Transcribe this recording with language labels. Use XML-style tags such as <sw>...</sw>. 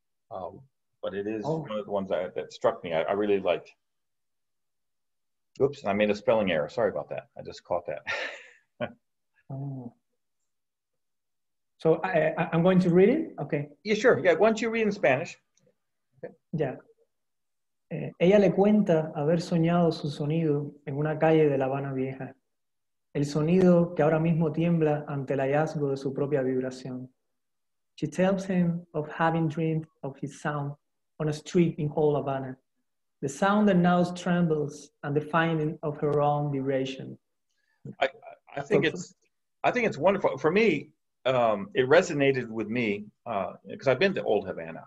<en>But it is one of the ones that struck me. I really liked. Oops, I made a spelling error. Sorry about that. I just caught that. So I'm going to read it? Okay. Yeah, sure. Yeah, why don't you read in Spanish? Okay. Yeah.</en> <es>Ella le cuenta haber soñado su sonido en una calle de La Habana Vieja, el sonido que ahora mismo tiembla ante el hallazgo de su propia vibración.</es> <en>She tells him of having dreamed of his sound on a street in whole Havana, the sound that now trembles and the finding of her own vibration. I think it's wonderful. For me, it resonated with me because I've been to old Havana.</en>